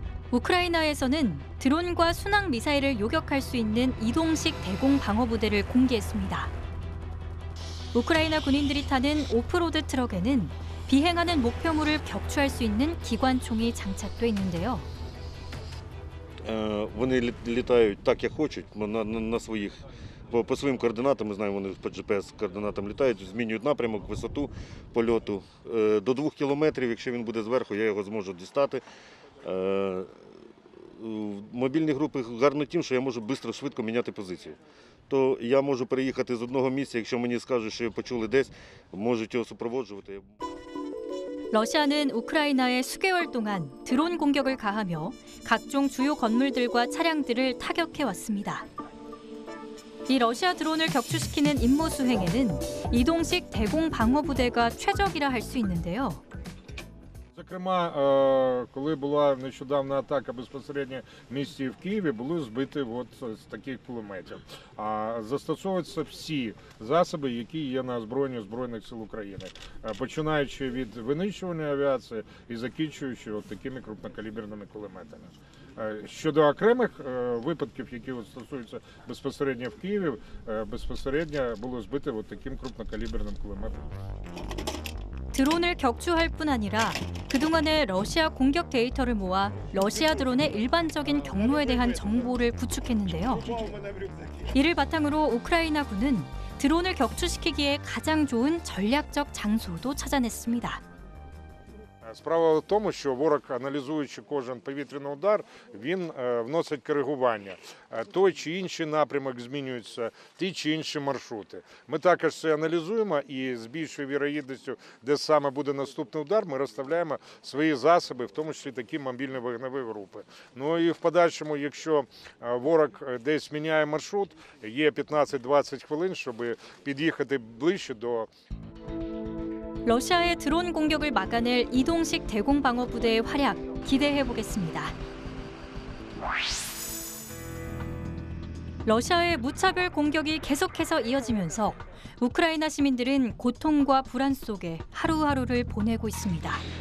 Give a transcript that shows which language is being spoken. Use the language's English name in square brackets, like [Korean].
[Korean] 우크라이나에서는 드론과 순항 미사일을 요격할 수 있는 이동식 대공 방어 부대를 공개했습니다. 우크라이나 군인들이 타는 오프로드 트럭에는 비행하는 목표물을 격추할 수 있는 기관총이 장착돼 있는데요. [Ukrainian] вони літають так, як хочуть, на своїх по своїм координатам, ми знаємо, вони по GPS координатам літають, змінюють напрямок, висоту польоту до 2 км, якщо він буде зверху, я його зможу дістати. Мобільні групи гарно тим, що я можу швидко швидко міняти позицію. То я можу переїхати з одного місця, якщо мені скажуть, що почули десь, можуть його супроводжувати. [Korean] Росія는 우크라이나에 수개월 동안 드론 공격을 가하며 각종 주요 건물들과 차량들을 타격해 왔습니다. 이 러시아 드론을 격추시키는 임무 수행에는 이동식 대공 방어 부대가 최적이라 할 수 있는데요. [Ukrainian] зокрема, коли була нещодавна атака безпосередньо в місті в Києві, були збиті от з таких кулеметів. А застосовуються всі засоби, які є на озброєнні Збройних сил України, починаючи від винищувальної авіації і закінчуючи от такими крупнокаліберними кулеметами. Щодо окремих випадків, які стосуються безпосередньо в Києві, безпосередньо було збите от таким крупнокаліберним кулеметом. [Korean] 드론을 격추할 뿐 아니라 그동안의 러시아 공격 데이터를 모아 러시아 드론의 일반적인 경로에 대한 정보를 구축했는데요. 이를 바탕으로 우크라이나 군은 드론을 격추시키기에 가장 좋은 전략적 장소도 찾아냈습니다. [Ukrainian] Справа в тому, що ворог, аналізуючи кожен повітряний удар, він вносить коригування. Той чи інший напрямок змінюється, ті чи інші маршрути. Ми також це аналізуємо і з більшою вірогідністю, де саме буде наступний удар, ми розставляємо свої засоби, в тому числі такі мобільні вогневі групи. Ну і в подальшому, якщо ворог десь міняє маршрут, є 15-20 хвилин, щоб під'їхати ближче до... [Korean] 러시아의 드론 공격을 막아낼 이동식 대공 방어 부대의 활약 기대해 보겠습니다. 러시아의 무차별 공격이 계속해서 이어지면서 우크라이나 시민들은 고통과 불안 속에 하루하루를 보내고 있습니다.